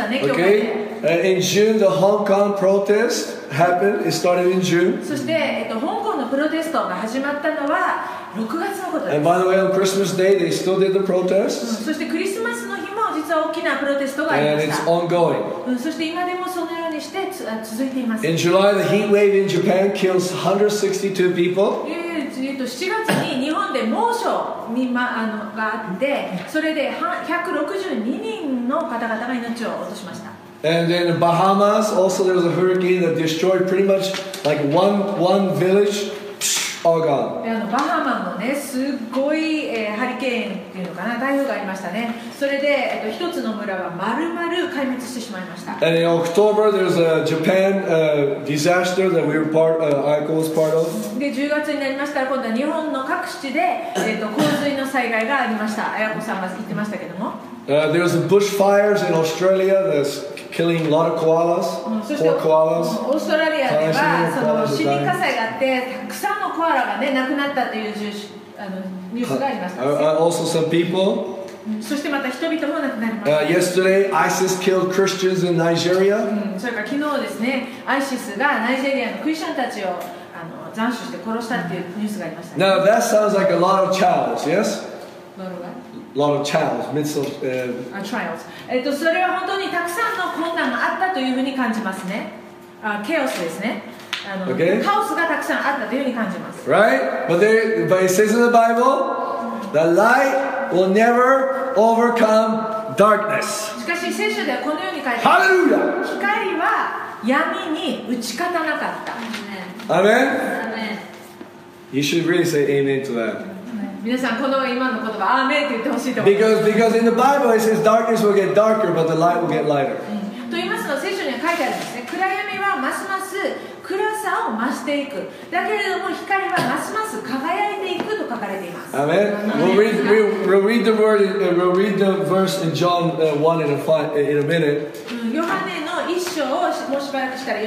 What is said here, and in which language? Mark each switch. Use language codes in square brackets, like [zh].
[en] Okay. In June, the Hong Kong protest happened. It started in June. [ja] そして、香港のプロテストが始まったのは6月のことです。 [en] And by the way, on Christmas Day, they still did the protests. [ja] そしてクリスマスの日も実は大きなプロテストがありました。 [en] And it's ongoing. [ja] そして今でもそのようにして続いています。 [en] In July, the heat wave in Japan kills 162 people. [ja] 7月に日本で猛暑に、があって、それで162人の方々が命を落としました。 [en] And then in Bahamas, also there was a hurricane that destroyed pretty much like one village, all gone. [ja] Bahamas のね、すごいハリケーンっていうのかな、台風がありましたね。それで一つの村はまるまる壊滅してしまいました。 [en] And in October, there was a Japan disaster that we were Aiko was part of. [ja] で、10月になりましたら今度は日本の各地で洪水の災害がありました。 Aiko さんは言ってましたけども。 [en] There was bushfires in Australia that's killing a lot of koalas, poor koalas. [ja] オーストラリアでは、森林火災があって、たくさんのコアラが、ね、亡くなったというニュースがありました。 [en] Also some people. [ja] そしてまた人々も亡くなりました。 [en] Yesterday, ISIS killed Christians in Nigeria. [ja] それから昨日ですね、ISIS がナイジェリアのクリスチャンたちを斬首して殺したというニュースがありました。 [en] Now that sounds like a lot of chaos, yes? A lot of trials, midst of trials. [ja] それは本当にたくさんの困難があったというふうに感じますね。ケオスですね。カオスがたくさんあったというふうに感じます。 [en] Right? But it says in the Bible, The light will never overcome darkness. [ja] しかし聖書ではこのように書いてある。ハレルヤ。光は闇に打ち勝たなかった。アメン。アメン。 [en] You should really say amen to that. [ja] 皆さんこの今の言葉アーメンって言ってほしいと思う。 [en] Because in the Bible it says darkness will get darker, but the light will get lighter. [ja] と言いますと聖書には書いてあるんですね。暗闇はますます暗さを増していく。だけれども光はますます輝いていくと書かれています。アメン。 [en] We'll read the verse in John 1 in a minute. [ja] ヨハネの一章をもうしばらくしたら読